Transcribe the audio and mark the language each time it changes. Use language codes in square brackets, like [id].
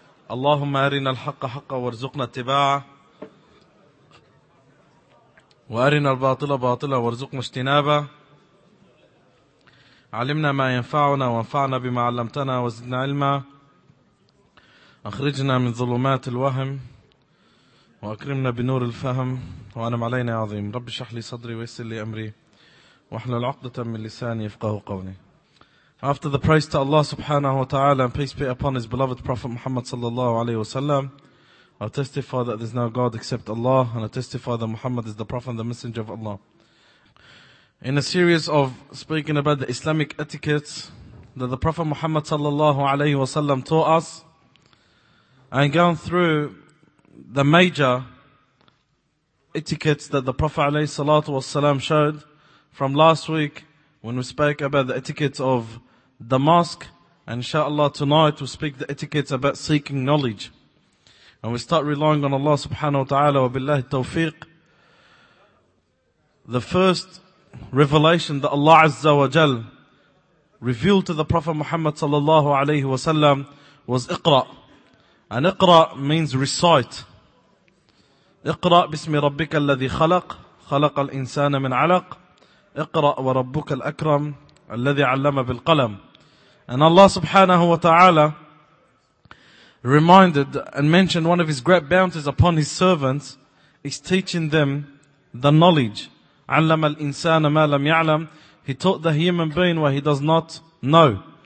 [ar] اللهم أرنا الحق حقا وارزقنا اتباعه، وأرنا الباطل باطلا وارزقنا اجتنابه، علمنا ما ينفعنا وانفعنا بما علمتنا وزدنا علما، أخرجنا من ظلمات الوهم وأكرمنا بنور الفهم، وأنعم علينا عظيم. رب اشرح لي صدري ويسر لي أمري واحلل عقدة من لساني يفقه قولي. [en] After the praise to Allah subhanahu wa ta'ala and peace be upon his beloved Prophet Muhammad sallallahu alayhi wa sallam, I testify that there is no God except Allah, and I testify that Muhammad is the Prophet and the Messenger of Allah. In a series of speaking about the Islamic etiquettes that the Prophet Muhammad sallallahu alayhi wa sallam taught us, and going through the major etiquettes that the Prophet ﷺ showed from last week when we spoke about the etiquettes of the mosque, and inshaAllah tonight we'll speak the etiquettes about seeking knowledge. And we start relying on Allah subhanahu wa ta'ala wa billahi tawfiq. The first revelation that Allah Azza wa Jal revealed to the Prophet Muhammad sallallahu alayhi wa sallam was Iqra. And Iqra means recite. [ar] اقرأ بسم ربك الذي خلق خلق الإنسان من علق اقرأ وربك الأكرم الذي علم بالقلم. [en] And Allah subhanahu wa ta'ala reminded and mentioned one of his great bounties upon his servants is teaching them the knowledge. [ar] علم الإنسان ما لم يعلم. [en] He taught the human being what he does not know.